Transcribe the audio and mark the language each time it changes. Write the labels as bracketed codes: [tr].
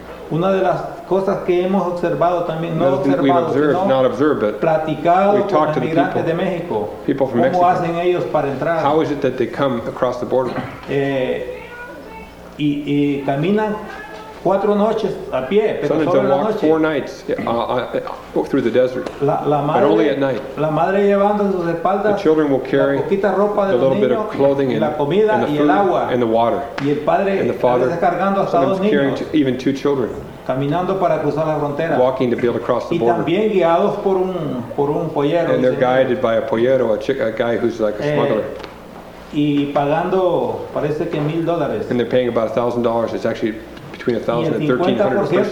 [es] Una de las cosas que hemos observado también, no observado, sino platicado con los migrantes de México. [en] People from [es] Mexico. ¿Cómo hacen ellos para entrar? [en] How is it that they come across the border? [es] Y caminan 4 noches a pie, pero solo en la noche. [en] Sometimes they walk 4 nights through the desert, but only at night. [es] La madre llevando en sus espaldas, [en] the children will carry [es] la ropa de [en] a little bit of clothing [es] y la comida, [en] and the [es] y [en] food [es] el agua. [en] And the water. [es] Y el padre, [en] and the father, [es] cargando hasta [en] sometimes [es] dos niños, [en] carrying even 2 children. [es] Caminando para cruzar la frontera. [en] Walking to be able to cross the [es] y [en] border. [es] Y también guiados por un pollero. [en] And they're guided by a pollero, a guy who's like a smuggler. [es] Y pagando, parece que $1,000. [en] And they're paying about $1,000. It's actually between $1,000 and $1,300.